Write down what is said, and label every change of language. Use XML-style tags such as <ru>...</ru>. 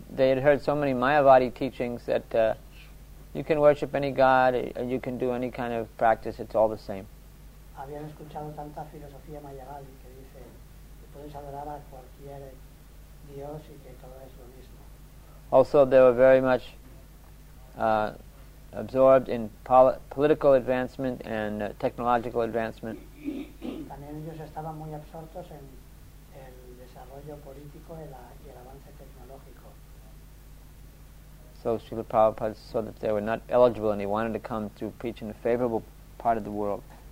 <en>They had heard so many Mayavadi teachings that you can worship any god, or you can do any kind of practice, it's all the same.</en> <es>Habían escuchado tanta filosofía mayavadi que dice que puedes adorar a cualquier dios y que todo es lo mismo.</es> <en>Also, they were very much absorbed in political advancement and technological advancement.</en> <es>También ellos estaban muy absortos en el desarrollo político y el avance tecnológico.</es> <en>So Srila Prabhupada saw that they were not eligible and he wanted to come to preach in a favorable part of the world.</en>